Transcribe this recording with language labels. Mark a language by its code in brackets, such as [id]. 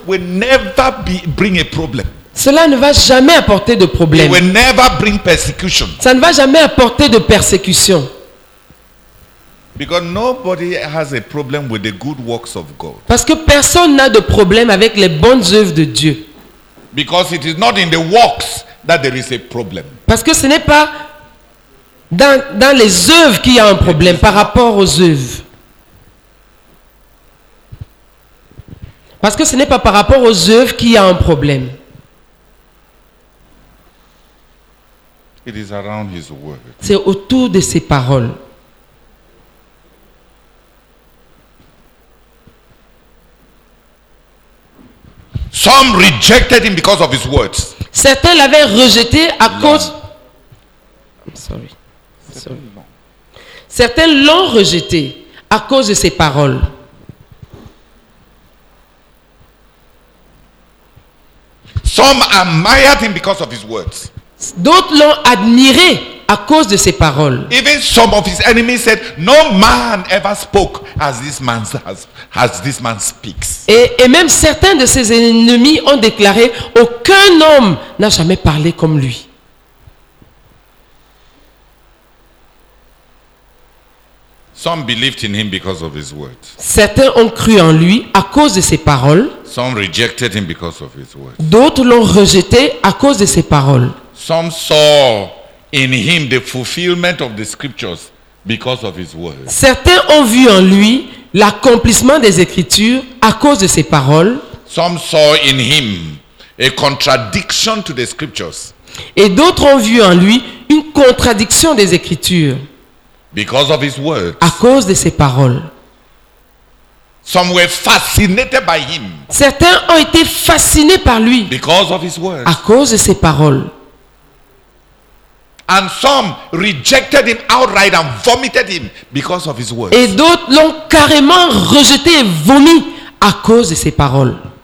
[en] will never be, bring a problem. [fr] Cela ne va jamais apporter de problème. [en] It will never bring persecution. [fr] Ça ne va jamais apporter de persécution. [en] Because nobody has a problem with the good works of God. [fr] Parce que personne n'a de problème avec les bonnes œuvres de Dieu. [en] Because it is not in the works that there is a problem. [fr] Parce que ce n'est pas dans les œuvres qu'il y a un problème par rapport aux œuvres. Parce que ce n'est pas par rapport aux œuvres qu'il y a un problème. [en] It is around his word. [fr] C'est autour de ses paroles. [en] Some rejected him because of his words. [fr] Certains l'avaient rejeté à cause. Certains l'ont rejeté à cause de ses paroles. [en] Some admired him because of his words. [fr] D'autres l'ont admiré à cause de ses paroles. [en] Even some of his enemies said, "No man ever spoke as this man as this man speaks." [fr] Et même certains de ses ennemis ont déclaré, aucun homme n'a jamais parlé comme lui. [en] Some believed in him because of his words. [fr] Certains ont cru en lui à cause de ses paroles. [en] Some rejected him because of his words. [fr] D'autres l'ont rejeté à cause de ses paroles. [en] Some saw in him the fulfillment of the scriptures because of his words. [fr] Certains ont vu en lui l'accomplissement des écritures à cause de ses paroles. [en] Some saw in him a contradiction to the scriptures. [fr] Et d'autres ont vu en lui une contradiction des écritures. [en] Because of his words. [fr] À cause de ses paroles. [en] Some were fascinated by him. [fr] Certains ont été fascinés par lui. [en] Because of his words. [fr] À cause de ses paroles. [en] And some rejected him outright and vomited him because of his words. [fr] Et d'autres l'ont carrément rejeté et vomi à cause de ses paroles.